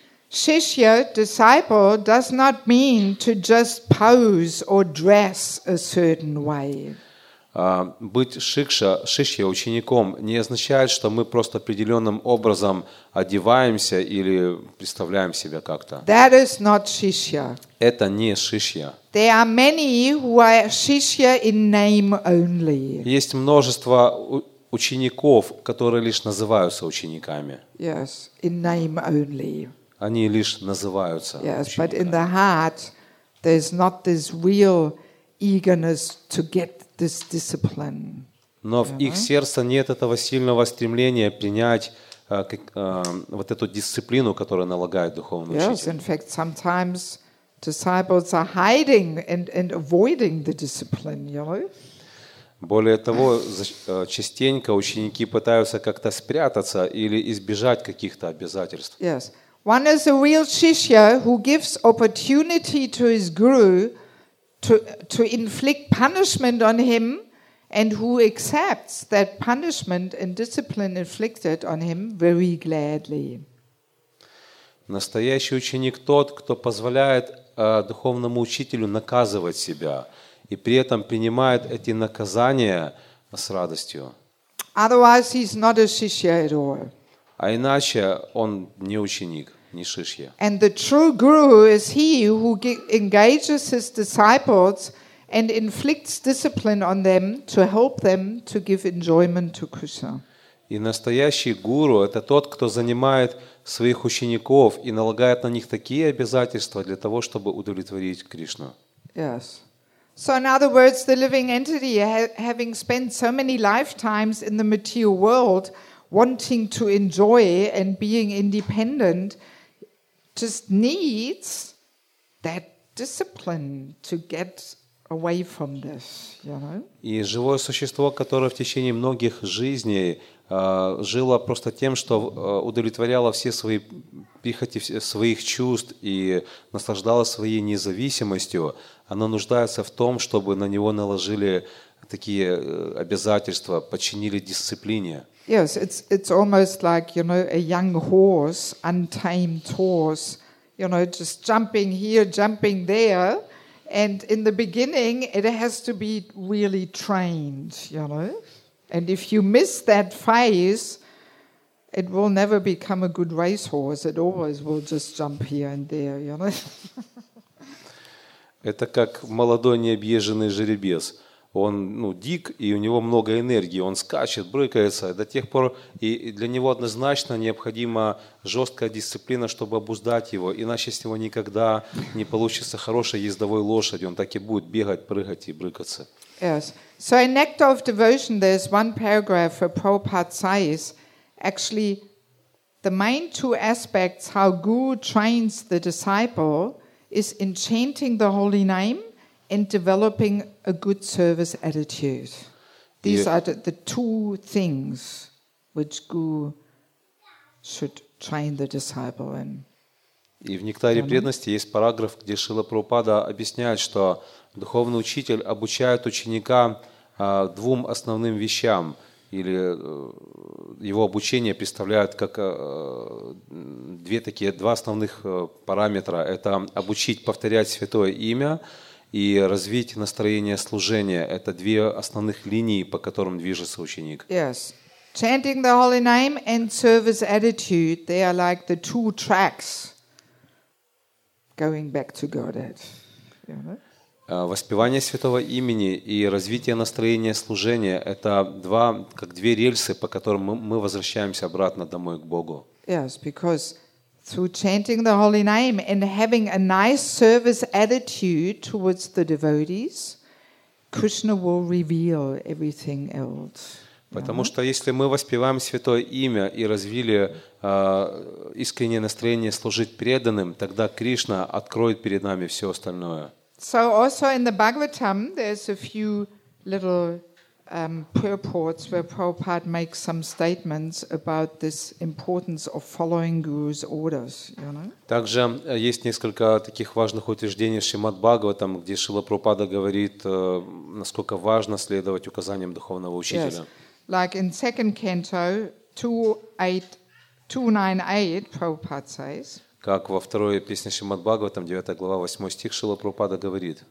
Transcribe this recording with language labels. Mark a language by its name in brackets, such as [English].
[English] Shishya, disciple, does not mean to just pose or dress a certain way. [Russian] Быть шишья, учеником, не означает, что мы просто определенным образом одеваемся или представляем себя как-то. [English] That is not shishya. [Russian] Это не шишья. [English] There are many who are shishya in name only. [Russian] Есть множество учеников, которые лишь называются учениками. [English] Yes, in name only. [Russian] Они лишь называются [English] yes, [Russian] учениками. [English] But in the heart, there's not this real eagerness to get this discipline. [Russian] Но в их сердце нет этого сильного стремления принять вот эту дисциплину, которую налагает духовный [English] yes, Yes, in fact, sometimes disciples are hiding and avoiding the discipline, you know? [Russian] Более того, частенько ученики пытаются как-то спрятаться или избежать каких-то обязательств. [English] Yes. One is a real shishya who gives opportunity to his guru to inflict punishment on him and who accepts that punishment and discipline inflicted on him very gladly. [Russian] Настоящий ученик тот, кто позволяет духовному учителю наказывать себя и при этом принимает эти наказания с радостью. [English] Otherwise, he's not a shishya at all. [Russian] А иначе он не ученик. Не шишья. [English] And the true guru is he who engages his disciples and inflicts discipline on them to help them to give enjoyment to Krishna. [Russian] И настоящий гуру это тот, кто занимает своих учеников и налагает на них такие обязательства для того, чтобы удовлетворить Кришну. [English] Yes. So in other words, the living entity having spent so many lifetimes in the material world wanting to enjoy and being independent just needs that discipline to get away from this, you know? [Russian] И живое существо, которое в течение многих жизней жило просто тем, что удовлетворяло все свои прихоти, своих чувств и наслаждалось своей независимостью, оно нуждается в том, чтобы на него наложили такие обязательства, подчинили дисциплине. [English] Yes, it's almost like, you know, a young horse, untamed horse, you know, just jumping here, jumping there, and in the beginning it has to be really trained, you know. And if you miss that phase, it will never become a good racehorse. It always will just jump here and there, you know. [Russian] Это как молодой необъезженный жеребец. Он, ну, дик, и у него много энергии. Он скачет, брыкается до тех пор, и для него однозначно необходима жесткая дисциплина, чтобы обуздать его. Иначе с него никогда не получится хорошей ездовой лошади. Он так и будет бегать, прыгать и брыкаться. [English] Yes. So in Nectar of Devotion there's one paragraph where Prabhupada says actually the main two aspects how guru trains the disciple is in chanting the holy name and developing a good service attitude. These are the two things which guru should train the disciple in. [Russian] И в Нектаре преданности есть параграф, где Шрила Прабхупада объясняет, что духовный учитель обучает ученика двум основным вещам, или его обучение представляет как два основных параметра. Это обучить повторять святое имя и развить настроение служения. Это две основных линии, по которым движется ученик. [English] Yes. Chanting the holy name and service attitude, they are like the two tracks going back to Godhead. [Russian] Воспевание святого имени и развитие настроения служения — это два, как две рельсы, по которым мы возвращаемся обратно домой к Богу. [English] Yes, because through chanting the holy name and having a nice service attitude towards the devotees, Krishna will reveal everything else. [Russian] Потому что если мы воспеваем Святое Имя и развили искреннее настроение служить преданным, тогда Кришна откроет перед нами все остальное. [English] So also in the Bhagavatam there's a few little purports where Prabhupada makes some statements about this importance of following Guru's orders. You know? [Russian] Также есть несколько таких важных утверждений в Шримад-Бхагаватам, где Шрила Прабхупада говорит, насколько важно следовать указаниям духовного учителя. [English] Yes. Like in second canto 2.8.298, Prabhupada says. [Russian] Как во второй песне Шримад-Бхагаватам, 9 глава, 8 стих, Шрила Прабхупада говорит.